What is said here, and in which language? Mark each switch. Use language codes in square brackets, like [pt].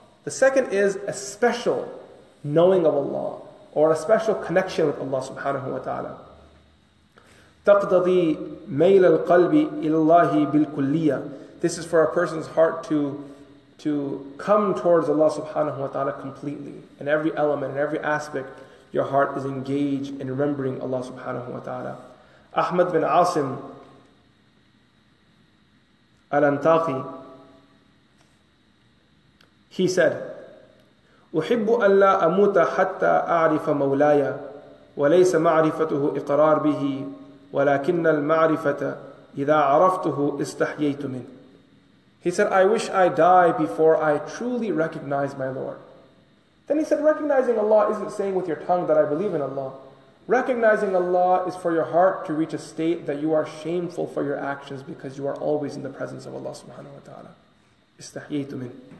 [en] The second is a special knowing of Allah or a special connection with Allah subhanahu wa ta'ala. [ar] Taqdadi mail al qalbi illahi bil kulliya. [en] This is for a person's heart to come towards Allah subhanahu wa ta'ala completely in every element, in every aspect. Your heart is engaged in remembering Allah subhanahu wa ta'ala. [ar] Ahmad bin Asim al-Antaqi, [en] he said, [ar] أُحِبُّ أَنْ لَا أَمُوتَ حَتَّى أَعْرِفَ مَوْلَايَ وَلَيْسَ مَعْرِفَتُهُ إِقْرَارَ بِهِ وَلَكِنَّ الْمَعْرِفَةَ إِذَا عَرَفْتُهُ إِسْتَحْيَيْتُ مِنْ. [en] He said, I wish I die before I truly recognize my Lord. Then he said, recognizing Allah isn't saying with your tongue that I believe in Allah. Recognizing Allah is for your heart to reach a state that you are shameful for your actions because you are always in the presence of Allah subhanahu wa ta'ala. [ar] Istahyaytu min.